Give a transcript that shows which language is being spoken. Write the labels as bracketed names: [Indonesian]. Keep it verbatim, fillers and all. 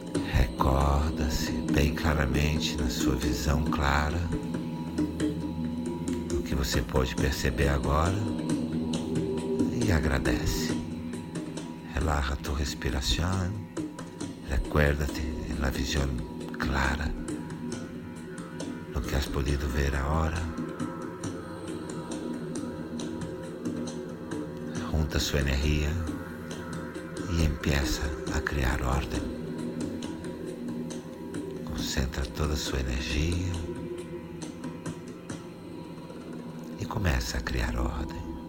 [Portuguese] Recorda-se bem claramente na sua visão clara o que você pode perceber agora e agradece. Relaxa a tua respiração, [Spanish] Recuérdate en la visión clara lo que has podido ver ahora. Junta su energía y empieza a crear orden. [Portuguese] Concentra toda su energía e começa a criar ordem.